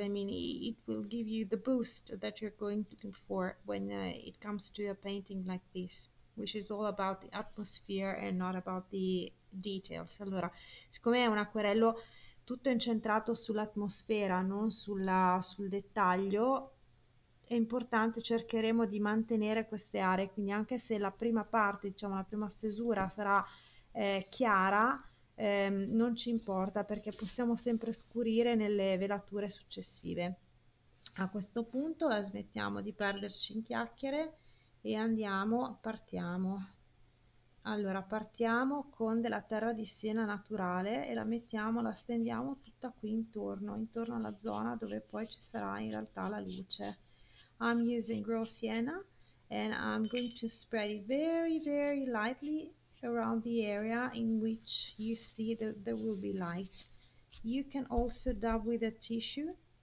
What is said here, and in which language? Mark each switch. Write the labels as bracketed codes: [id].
[en] I mean, it will give you the boost that you're going looking for when it comes to a painting like this, which is all about the atmosphere and not about the details. [it] Allora, siccome è un acquerello tutto incentrato sull'atmosfera, non sul dettaglio, è importante, cercheremo di mantenere queste aree. Quindi, anche se la prima parte, diciamo, la prima stesura sarà chiara, non ci importa perché possiamo sempre scurire nelle velature successive. A questo punto la smettiamo di perderci in chiacchiere e andiamo, partiamo. Allora, partiamo con della terra di siena naturale e la stendiamo tutta qui intorno alla zona dove poi ci sarà in realtà la luce. [en] I'm using raw sienna and I'm going to spread it very, very lightly around the area in which you see that there will be light. You can also dab with a tissue.